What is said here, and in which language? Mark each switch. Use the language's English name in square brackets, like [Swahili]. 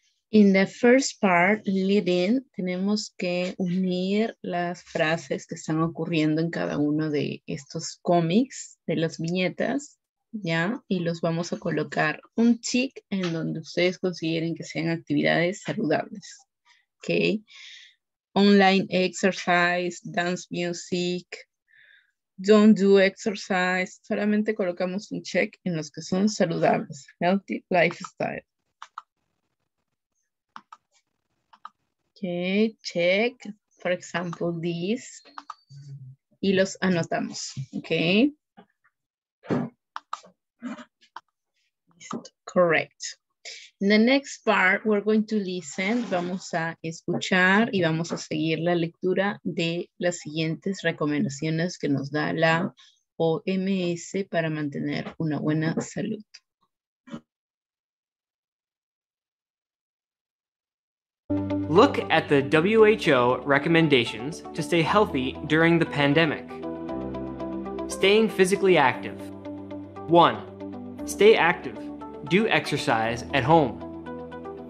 [English] In the first part, leading, [Spanish] tenemos que unir las frases que están ocurriendo en cada uno de estos cómics, de las viñetas, ¿ya? Y los vamos a colocar un tick en donde ustedes consideren que sean actividades saludables, ¿ok? [English] Online exercise, dance music, don't do exercise. [Spanish] Solamente colocamos un check en los que son saludables, [English] healthy lifestyle. Okay, check, for example, this, [Spanish] y los anotamos, [English] okay? Correct. In the next part, we're going to listen, [Spanish] vamos a escuchar y vamos a seguir la lectura de las siguientes recomendaciones que nos da la OMS para mantener una buena salud. [English] Look at the WHO recommendations to stay healthy during the pandemic. Staying physically active. 1. Stay active. Do exercise at home.